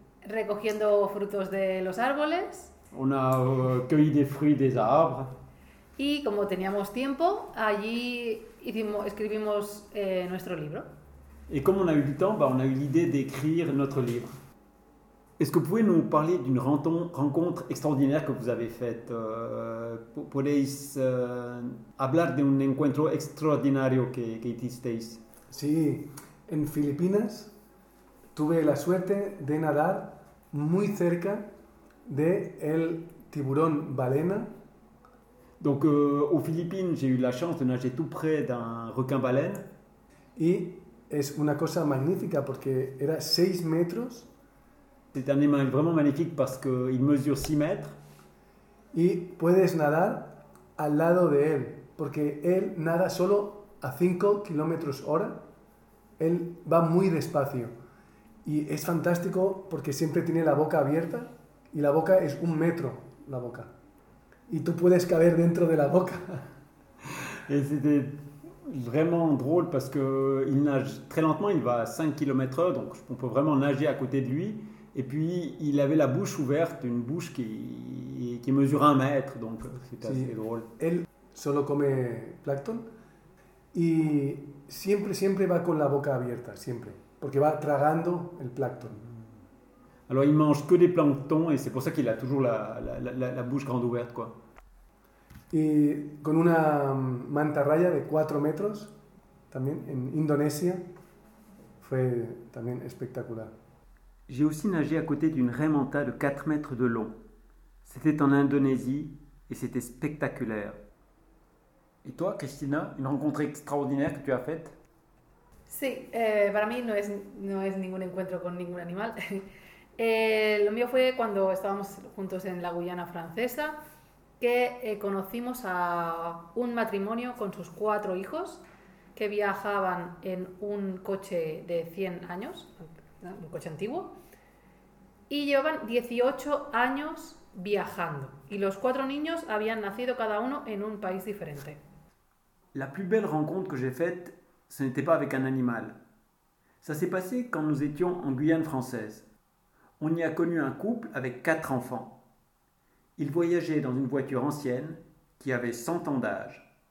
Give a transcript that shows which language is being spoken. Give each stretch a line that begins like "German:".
Spanish: Recogiendo frutos de los árboles.
French: On a cueilli des fruits des arbres.
Spanish: Y como teníamos tiempo, allí hicimos, escribimos nuestro libro. Y como
French: on a eu du temps, on a eu l'idée d'écrire notre livre. Est-ce que vous pouvez nous parler d'une rencontre extraordinaire que vous avez faite?
Spanish: ¿Podéis hablar de un encuentro extraordinario que hicisteis? Sí, en Filipinas tuve la suerte de nadar muy cerca de el tiburón balena.
French: Donc aux Philippines, j'ai eu la chance de nager tout près d'un requin baleine. Et c'est une chose magnifique parce que era 6 mètres. C'est un animal vraiment magnifique parce qu'il mesure 6 mètres.
Spanish: Et puedes nadar al lado de él porque él nada solo a 5 km hora. Él va muy despacio. Y es fantástico porque siempre tiene la boca abierta y la boca es 1 mètre la boca. Y tú puedes caber dentro de la boca.
French: Et c'était vraiment drôle parce qu'il nage très lentement, il va à 5 km/h, donc on peut vraiment nager à côté de lui. Et puis il avait la bouche ouverte, une bouche qui mesure 1 mètre, donc c'était assez drôle.
Spanish: Él solo come plancton y siempre va con la boca abierta, siempre, porque va tragando el plancton.
French: Alors il mange que des planctons et c'est pour ça qu'il a toujours la bouche grande ouverte quoi.
Spanish: Y con una mantarraya de 4 mètres también en Indonesia fue también espectacular.
French: J'ai aussi nagé à côté d'une raie manta de 4 mètres de long. C'était en Indonésie et c'était spectaculaire. Et toi Cristina, une rencontre extraordinaire que tu as faite?
Spanish: Sí, para mí no es ningún encuentro con ningún animal. Lo mío fue cuando estábamos juntos en la Guyana francesa, que conocimos a un matrimonio con sus 4 hijos que viajaban en un coche de 100 años, un coche antiguo, y llevaban 18 años viajando. Y los 4 niños habían nacido cada uno en un país diferente.
French: La plus belle rencontre que j'ai faite, ce n'était pas avec un animal. Ça s'est passé quand nous étions en Guyane française. On y a connu un couple avec 4 enfants. Ils voyageaient dans une voiture ancienne qui avait 100 ans d'âge.